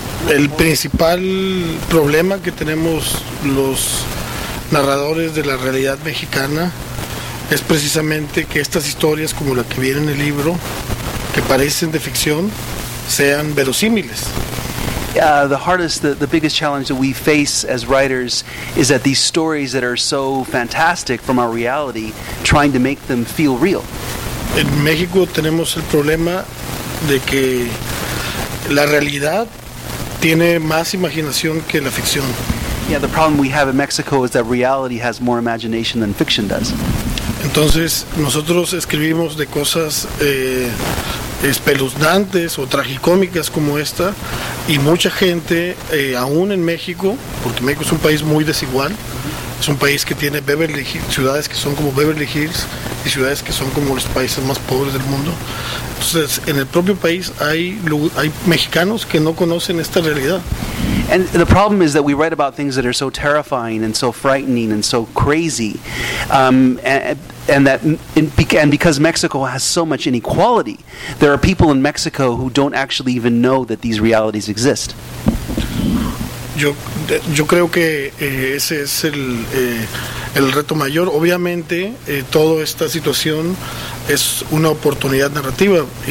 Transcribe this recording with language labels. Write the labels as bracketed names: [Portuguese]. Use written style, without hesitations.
[Spanish] El principal problema que tenemos los narradores de la realidad mexicana es precisamente que estas historias como la que viene en el libro, que parecen de ficción, sean verosímiles. [English] The biggest challenge that we face as writers is that these stories that are so fantastic from our reality, trying to make them feel real. [Spanish] En México tenemos el problema de que la realidad tiene más imaginación que la ficción. [English] Yeah, the problem we have in Mexico is that reality has more imagination than fiction does. [Spanish] Entonces, nosotros escribimos de cosas espeluznantes o tragicómicas como esta, y mucha gente, aún en México, porque México es un país muy desigual, es un país que tiene Beverly Hills, ciudades que son como Beverly Hills y ciudades que son como los países más pobres del mundo. Entonces, en el propio país hay mexicanos que no conocen esta realidad. [English] And the problem is that we write about things that are so terrifying and so frightening and so crazy, and because Mexico has so much inequality, there are people in Mexico who don't actually even know that these realities exist. [Spanish] Yo creo que ese es el reto mayor. Obviamente, toda esta situación es una oportunidad narrativa.